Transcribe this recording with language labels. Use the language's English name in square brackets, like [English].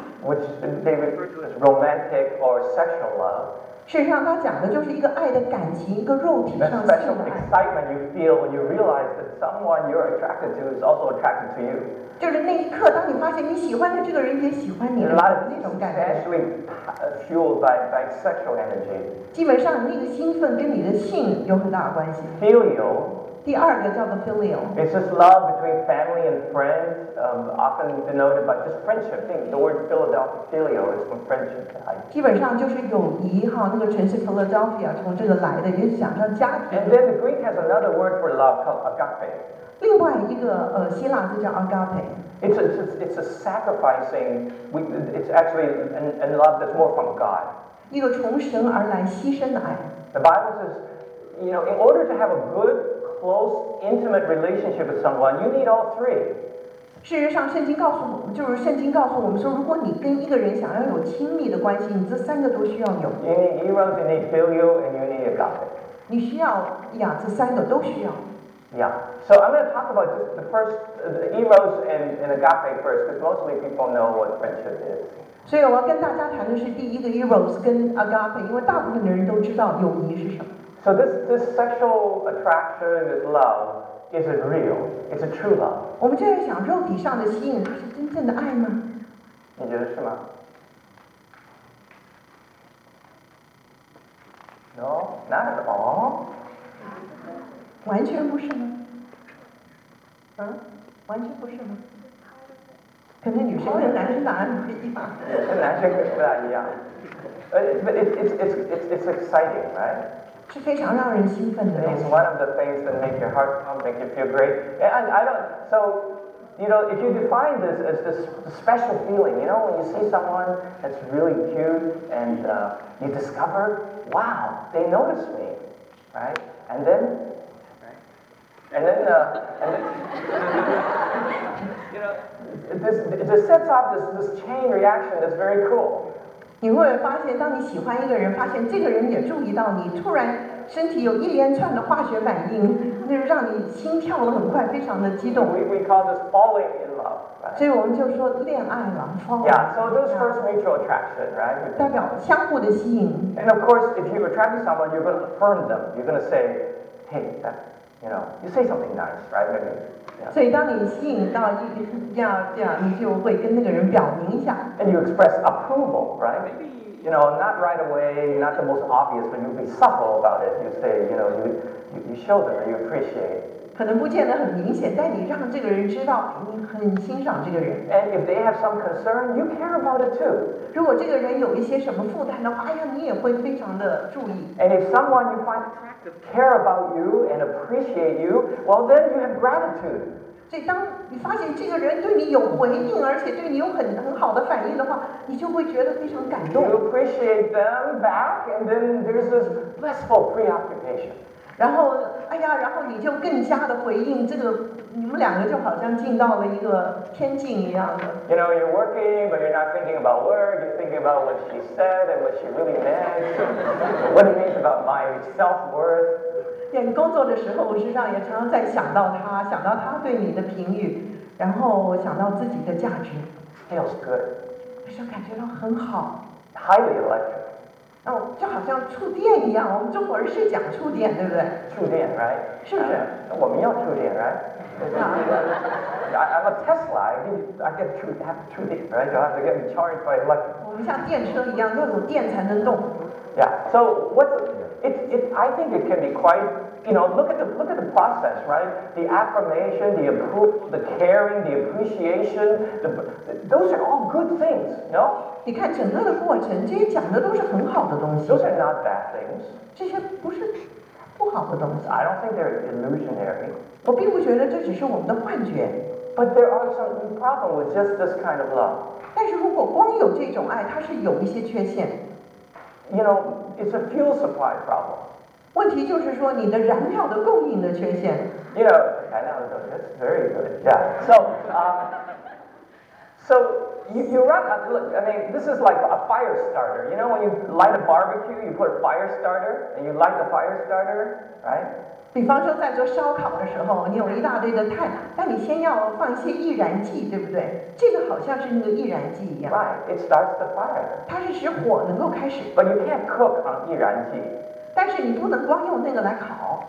[English] Which they refer to as romantic or sexual love. [Chinese] 事实上，他讲的就是一个爱的感情，一个肉体上的爱。 [English] The special excitement you feel when you realize that someone you're attracted to is also attracted to you. [Chinese] 就是那一刻，当你发现你喜欢的这个人也喜欢你的那种感觉。 [English] Fueled by sexual energy. [Chinese] 基本上，你那个兴奋跟你的性有很大的关系。 [English] Filial [Chinese] 第二个叫做 filial. [English] It's just love between family and friends, often denoted by just friendship. Think the word Philadelphia, filial is from friendship. [Chinese] 基本上就是友谊哈，那个城市 Philadelphia 从这个来的，也想上家庭。 [English] And then the Greek has another word for love called agape. [Chinese] 另外一个希腊就叫 agape. [English] It's a sacrificing. It's actually in love that's more from God. [Chinese] 一个从神而来牺牲的爱。 [English] The Bible says, you know, in order to have a good,close, intimate relationship with someone, you need all three. [Chinese] 事实上，圣经告诉我们，就是圣经告诉我们说，如果你跟一个人想要有亲密的关系，你这三个都需要有。 [English] You need eros, you need filio, and you need agape. [Chinese] 你需要呀，这三个都需要。 [English] Yeah. So I'm going to talk about the first, the eros and agape first, because mostly people know what friendship is. [Chinese] 所以我要跟大家谈的是第一个 eros 跟 agape， 因为大部分的人都知道友谊是什么。 [English] So this sexual attraction, this love, is it real? Is it true love? [Chinese] 我们就在想，肉体上的吸引，它是真正的爱吗？你觉得是吗 [English] ？No, not at all. [Chinese] 完全不是吗？嗯，完全不是吗？可能女生跟男生答案不一样。跟男生不大一样。 [English] But it's exciting, right? [Chinese] 是非常让人兴奋的。 [English] It's one of the things that make your heart pump, make you feel great. And I don't. So, you know, if you define this as this special feeling, you know, when you see someone that's really cute, and you discover, wow, they notice me, right? And then, this sets off this chain reaction. That's very cool. [Chinese] 你会发现，当你喜欢一个人，发现这个人也注意到你，突然身体有一连串的化学反应，那就让你心跳得很快，非常的激动。 [English] We call this falling in love.、Right? [Chinese] 所以我们就说恋爱了 ，falling. [English] Yeah, so those first mutual attraction, right? [Chinese] 代表相互的吸引。 [English] And of course, if you attract someone, you're going to affirm them. You're going to say, "Hey, that, you know, you say something nice, right?" Maybe. [Chinese] 所以当你吸引到一个这样，你就会跟那个人表明一下。 [English] And you express approval, right? Maybe, you know, not right away, not the most obvious, but you'll be subtle about it. You say, you know, you show them you appreciate. [Chinese] 可能不见得很明显，但你让这个人知道你很欣赏这个人。 [English] And if they have some concern, you care about it too. [Chinese] 如果这个人有一些什么负担的话，哎呀，你也会非常的注意。 [English] And if someone you find care about you and appreciate you, well then you have gratitude. [Chinese] 所以当你发现这个人对你有回应，而且对你有很好的反应的话，你就会觉得非常感动。 [English] You appreciate them back, and then there's this blissful preoccupation. [Chinese] 然后，哎呀，然后你就更加的回应这个，你们两个就好像进到了一个天境一样的。 [English] You know, you're working, but you're not thinking about work. You're thinking about what she said and what she really meant. What it means about my self-worth. [Chinese] 对，工作的时候，我实际上也常常在想到他，想到他对你的评语，然后想到自己的价值。 [English] Feels good. [Chinese] 我就感觉到很好。 [English] Highly electric. [Chinese] 哦、oh, ，就好像触电一样，我们中国人是讲触电，对不对？触电 ， [English] right？ [Chinese] 是不是？我们要触电 [English] ，right？ I'm a Tesla. I have to get触电 ，right？ You have to get charged by electric. [Chinese] 我们像电车一样，要有电才能动。 [English] Yeah. So what? It. I think it can be quite. You know, look at the process, right? The affirmation, the approval, the caring, the appreciation. Those are all good things, no? [Chinese] 你看整个的过程，这些讲的都是很好的东西。 [English] Those are not bad things. [Chinese] 这些不是不好的东西。 [English] I don't think they're illusionary. [Chinese] 我并不觉得这只是我们的幻觉。 [English] But there are some problems with just this kind of love. [Chinese] 但是如果光有这种爱，它是有一些缺陷。 [English] You know, it's a fuel supply problem. [Chinese] 问题就是说你的燃料的供应的缺陷。 [English] You know, I know, that's very good. Yeah. So you run. Look, I mean, this is like a fire starter. You know, when you light a barbecue, you put a fire starter and you light the fire starter, right? [Chinese] 比方说，在做烧烤的时候，你有一大堆的碳，但你先要放一些易燃剂，对不对？这个好像是那个易燃剂一样。 [English] Right, it starts the fire. [Chinese] 它是使火能够开始。 [English] But you can't cook on 易燃剂。 [Chinese] 但是你不能光用那个来烤。